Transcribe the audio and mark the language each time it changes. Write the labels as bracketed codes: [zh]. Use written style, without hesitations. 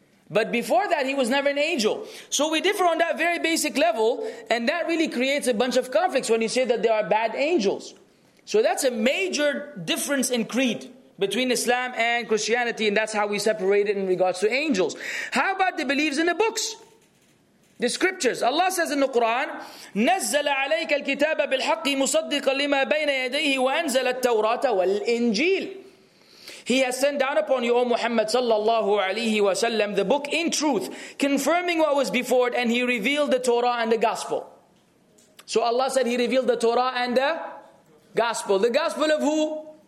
[en] But before that, he was never an angel. So we differ on that very basic level, and that really creates a bunch of conflicts when you say that there are bad angels. So that's a major difference in creed between Islam and Christianity, and that's how we separate it in regards to angels. How about the beliefs in the books? The scriptures. Allah says in the Quran, [ar] نَزَّلَ عَلَيْكَ الْكِتَابَ بِالْحَقِّ مُصَدِّقًا لِمَا بَيْنَ يَدَيْهِ وَأَنْزَلَ التَّوْرَاةَ وَالْإِنْجِيلِ [en] He has sent down upon you, O Muhammad sallallahu alayhi wa sallam, the book in truth, confirming what was before it, and He revealed the Torah and the Gospel. So Allah said He revealed the Torah and the Gospel. The Gospel of who?